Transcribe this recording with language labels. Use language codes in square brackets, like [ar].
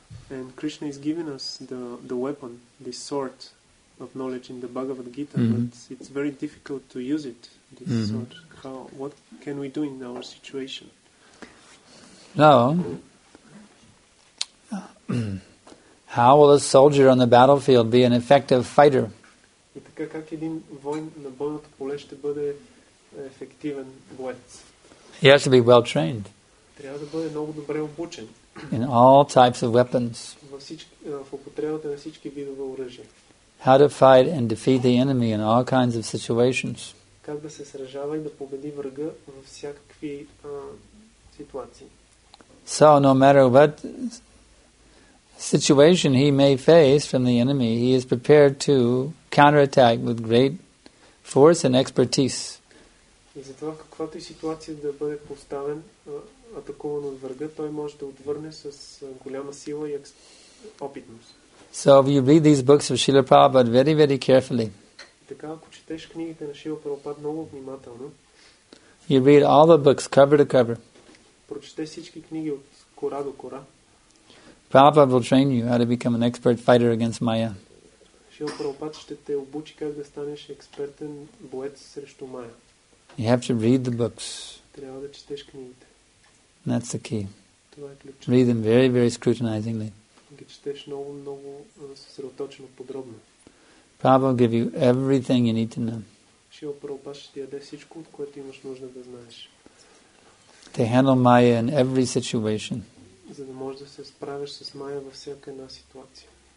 [en] And Krishna has given us the weapon, the sword of knowledge in the Bhagavad Gita, but it's very difficult to use it, this sword. What can we do in our situation? Now, how will a soldier on the battlefield be an effective fighter? [bg] И така, как един воин на бойното поле ще бъде ефективен боец? [en] He has to be well trained. [bg] Трябва да бъде много добре обучен. [en] In all types of weapons. [bg] В употребата на всички видове оръжие. [en] How to fight and defeat the enemy in all kinds of situations. [bg] Как да се сражава и да победи врага във всякакви ситуации. [en] So no matter what situation he may face from the enemy, he is prepared to counterattack with great force and expertise. [bg] И затова, каквато и ситуация да бъде поставен, атакуван от врага, той може да отвърне с голяма сила и опитност. [en] So if you read these books of Srila Prabhupada very, very carefully, [bg] така, ако четеш книгите на Шрила Прабхупада много внимателно, [en] you read all the books cover to cover, [bg] прочетеш всички книги от кора до кора, [en] Prabhupada will train you how to become an expert fighter against Maya. [bg] Шрила Прабхупада ще те обучи как да станеш експертен боец срещу Maya. [en] You have to read the books. [bg] Трябва да четеш книгите. [en] That's the key. [bg] Това е ключ. [en] Read them very, very scrutinizingly. [bg] Ги четеш много, много съсредоточено, подробно. [en] Prabhupada will give you everything you need to know. [bg] Шрила Прабхупада ще ти даде всичко, от което имаш нужда да знаеш. [en] To handle Maya in every situation. [bg] За да можеш да се справиш с Maya във всяка една ситуация.